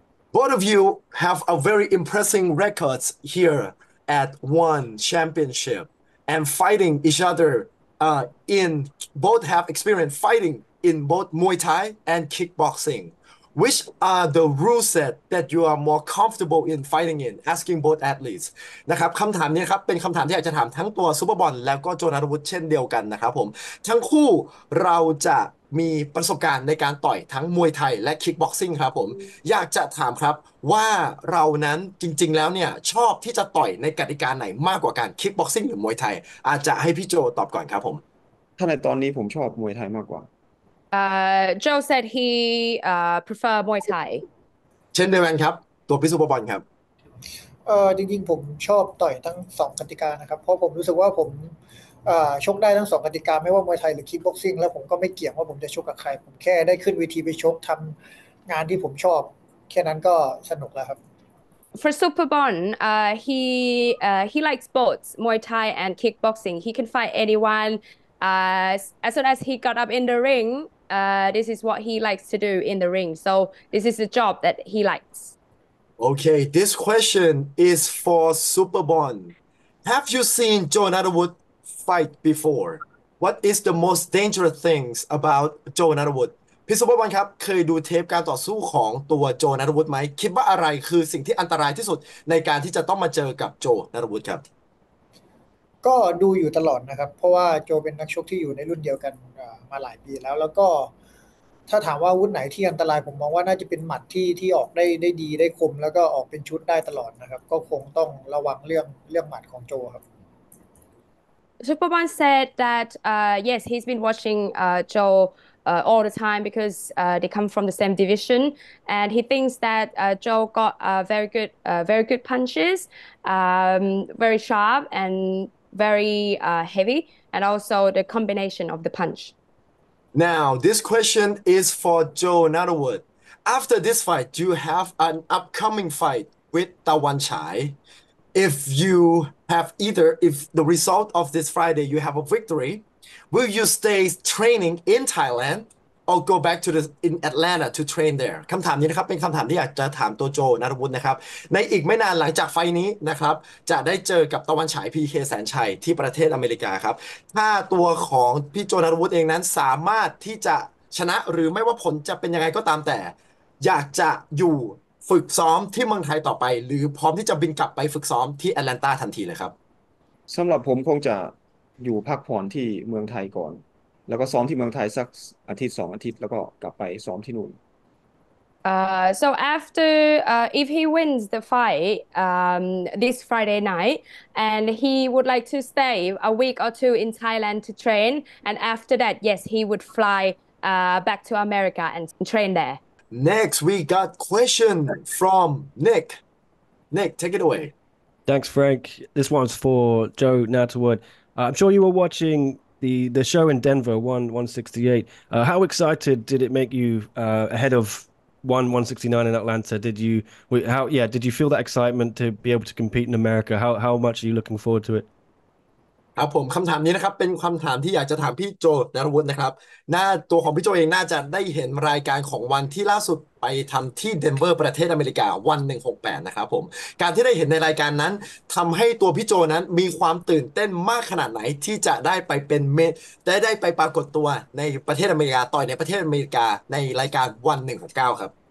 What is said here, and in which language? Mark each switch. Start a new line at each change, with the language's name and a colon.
English: Both of you have a very impressive records here at one championship and fighting each other. In both have experience fighting in both Muay Thai and kickboxing. Which are the rule set that you are more comfortable in fighting in? Asking both athletes.
Thai: นะครับคำถามนี้ครับเป็นคำถามที่อยากจะถามทั้งตัวซูเปอร์บอลแล้วก็โจนาธวุฒิเช่นเดียวกันนะครับผมทั้งคู่เราจะมีประสบการณ์ในการต่อยทั้งมวยไทยและคิกบ็อกซิ่งครับผมอยากจะถามครับว่าเรานั้นจริงๆแล้วเนี่ยชอบที่จะต่อยในกติกาไหนมากกว่ากันคิกบ็อกซิ่งหรือมวยไทยอาจจะให้พี่โจตอบก่อนครับผม ถ้าในตอนนี้ผมชอบมวยไทยมากกว่า
English: Joe said he prefer Muay Thai.
Thai: เช่นเดียวกันครับตัวพี่ซูเปอร์บอลครับ จริงๆผมชอบต่อยทั้งสองกติกานะครับเพราะผมรู้สึกว่าผมชกได้ทั้งสองกติกาไม่ว่ามวยไทยหรือคิกบ็อกซิ่งแล้วผมก็ไม่เกี่ยงว่าผมจะชกกับใครผมแค่ได้ขึ้นเวทีไปชกทำงานที่ผมชอบแค่นั้นก็สนุกแล้วครับ
English: For Superbon, he likes both Muay Thai and kickboxing. He can fight anyone. As soon as he got up in the ring, this is what he likes to do in the ring. So this is the job that he likes. Okay, this question is for Superbon. Have you seen Joe Nutterwood fight before? What is the most dangerous things about Joe Nutterwood?
Thai: พี่ Superbon ครับเคยดูเทปการต่อสู้ของตัว Joe Nutterwood ไหมคิดว่าอะไรคือสิ่งที่อันตรายที่สุดในการที่จะต้องมาเจอกับ Joe Nutterwood ครับ ก็ดูอยู่ตลอดนะครับเพราะว่าโจเป็นนักชกที่อยู่ในรุ่นเดียวกันมาหลายปีแล้วแล้วก็ถ้าถามว่าวุฒไหนที่อันตรายผมมองว่าน่าจะเป็นหมัดที่ออกได้ดีได้คมแล้วก็ออกเป็นชุดได้ตลอดนะครับก็คงต้องระวังเรื่องหมัดของโจครับ
English: Superman said that yes he's been watching Joe all the time because they come from the same division and he thinks that Joe got very good punches very sharp andvery heavy and also the combination of the punch. Now this question is for Joe Nutterwood. After this fight you have an upcoming fight with Tawan Chai. If the result of this Friday you have a victory, will you stay training in Thailand or go back to in Atlanta to train there?
Thai: คำถามนี้นะครับเป็นคำถามที่อยากจะถามตัวโจนัทวุฒินะครับในอีกไม่นานหลังจากไฟนี้นะครับจะได้เจอกับตะวันฉาย PK แสนชัยที่ประเทศอเมริกาครับถ้าตัวของพี่โจนัทวุฒิเองนั้นสามารถที่จะชนะหรือไม่ว่าผลจะเป็นยังไงก็ตามแต่อยากจะอยู่ฝึกซ้อมที่เมืองไทยต่อไปหรือพร้อมที่จะบินกลับไปฝึกซ้อมที่แอตแลนตาทันทีเลยครับ สำหรับผมคงจะอยู่พักผ่อนที่เมืองไทยก่อนแล้วก็ซ้อมที่เมืองไทยสักอาทิตย์สองอาทิตย์แล้วก็กลับไปซ้อมที่นู่น
English: So after if he wins the fight this Friday night and he would like to stay a week or two in Thailand to train and after that yes he would fly back to America and train there Next we got question from Nick Nick take it away Thanks Frank this one's for Joe Nutterwood I'm sure you were watchingthe show in Denver 1-168 how excited did it make you ahead of 1-169 in Atlanta did you feel that excitement to be able to compete in America how much are you looking forward to it
Thai: ครับผมคำถามนี้นะครับเป็นคำถามที่อยากจะถามพี่โจนรวุฒินะครับหน้าตัวของพี่โจเองน่าจะได้เห็นรายการของวันที่ล่าสุดไปทำที่เดนเวอร์ประเทศอเมริกาวัน168นะครับผมการที่ได้เห็นในรายการนั้นทำให้ตัวพี่โจนั้นมีความตื่นเต้นมากขนาดไหนที่จะได้ไปเป็นเมได้ไปปรากฏตัวในประเทศอเมริกาต่อยในประเทศอเมริกาในรายการวัน169ครับ